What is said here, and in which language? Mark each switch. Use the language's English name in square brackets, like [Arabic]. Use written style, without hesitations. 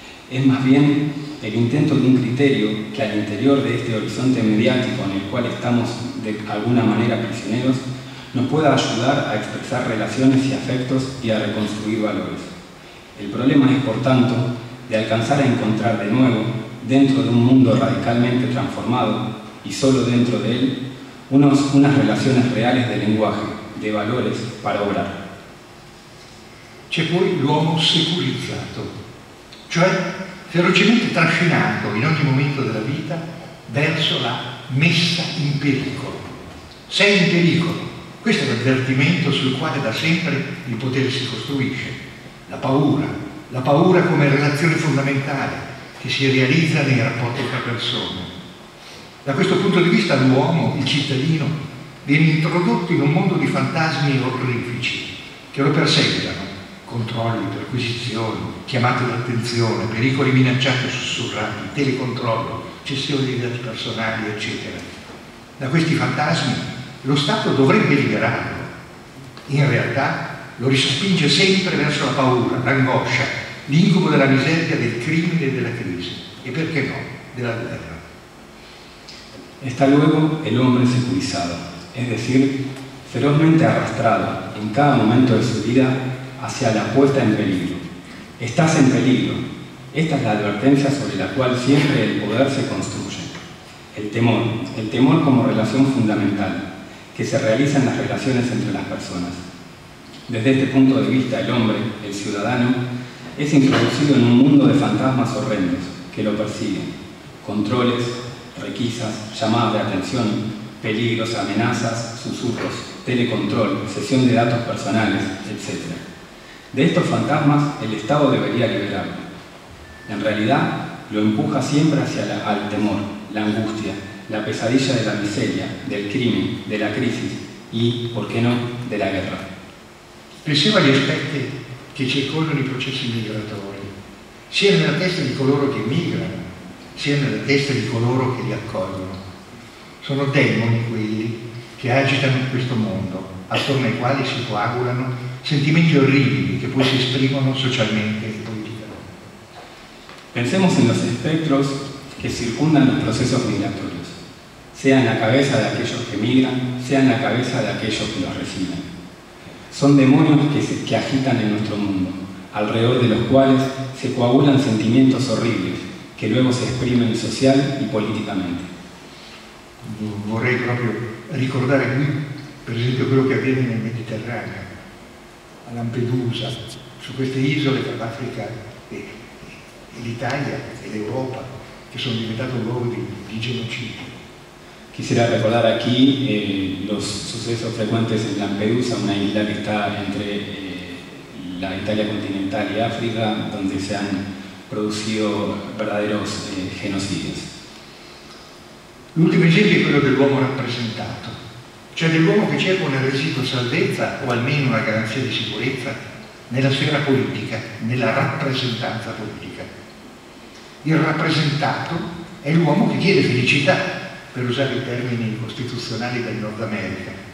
[Spanish] Es más bien el intento de un criterio que al interior de este horizonte mediático en el cual estamos de alguna manera prisioneros, nos pueda ayudar a expresar relaciones y afectos y a reconstruir valores. El problema es, por tanto, de alcanzar a encontrar de nuevo, dentro de un mundo radicalmente transformado, y solo dentro de él, unas relaciones reales de lenguaje, de valores, para obrar. [Italian] C'è poi l'uomo securizzato, cioè ferocemente trascinato in ogni momento della vita verso la messa in pericolo. Sei in pericolo, questo è l'avvertimento sul quale da sempre il potere si costruisce. La paura come relazione fondamentale, che si realizza nei rapporti tra persone. Da questo punto di vista l'uomo, il cittadino, viene introdotto in un mondo di fantasmi orrifici che lo perseguitano: controlli, perquisizioni, chiamate d'attenzione, pericoli minacciati o sussurrati, telecontrollo, cessione dei dati personali, eccetera. Da questi fantasmi lo Stato dovrebbe liberarlo. In realtà lo respinge sempre verso la paura, l'angoscia, l'incubo della miseria, del crimine e della crisi. E perché no? Della guerra. [Spanish] Está luego el hombre securizado, es decir, ferozmente arrastrado en cada momento de su vida hacia la puesta en peligro. Estás en peligro. Esta es la advertencia sobre la cual siempre el poder se construye. El temor como relación fundamental que se realiza en las relaciones entre las personas. Desde este punto de vista, el hombre, el ciudadano, es introducido en un mundo de fantasmas horrendos que lo persiguen. Controles, requisas, llamadas de atención, peligros, amenazas, susurros, telecontrol, cesión de datos personales, etc. De estos fantasmas, el Estado debería liberarlo. En realidad, lo empuja siempre hacia al temor, la angustia, la pesadilla de la miseria, del crimen, de la crisis y, ¿por qué no?, de la guerra. [Italian] Pensiamo agli aspetti che circondano i processi migratori, sia nella testa di coloro che migrano, sia nella testa di coloro che li accolgono. Sono demoni quelli che agitano in questo mondo, attorno ai quali si coagulano sentimenti orribili che poi si esprimono socialmente e politicamente. [Spanish] Pensiamo in los espectros che circundano [Italian] i processi migratori, sia nella [Spanish] cabeza di aquellos che migrano, sia nella cabeza di aquellos che los reciben. Son demonios que agitan en nuestro mundo, alrededor de los cuales se coagulan sentimientos horribles que luego se exprimen social y políticamente. [Italian] Vorrei proprio ricordare qui, per esempio, quello che avviene nel Mediterraneo, a Lampedusa, su queste isole tra l'Africa e l'Italia e l'Europa, che sono diventate luoghi di genocidio. [Spanish] Quisiera recordar aquí los sucesos frecuentes en Lampedusa, una isla que está entre la Italia continental y África, donde se han producido verdaderos genocidios. [Italian] L'ultimo esempio è quello dell'uomo rappresentato, cioè dell'uomo che cerca una residua salvezza o almeno una garanzia di sicurezza nella sfera politica, nella rappresentanza politica. Il rappresentato è l'uomo che chiede felicità, per usare i termini costituzionali del Nord America.